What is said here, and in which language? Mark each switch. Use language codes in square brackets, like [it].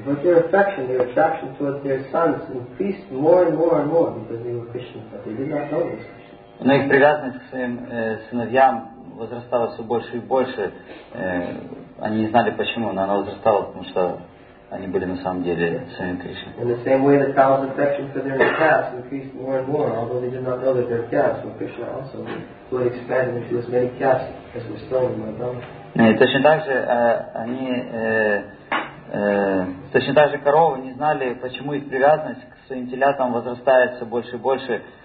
[en] But their affection, their attraction towards their sons increased more and more and more because they were Krishna, but they did not know this Krishna. [ru] Но их привязанность к своим сыновьям возрастала все больше и больше. Они не знали почему, но она возрастала, потому что они были на самом деле сыном Кришны. [en] In the same way, the cows' affection for their calves increased more and more, although they did not know that their calves were Krishna also. Who had expanded into as many calves as were stolen by Brahma. [ru] И точно так же они точно так же коровы не знали, почему их привязанность к своим телятам возрастает все больше и больше.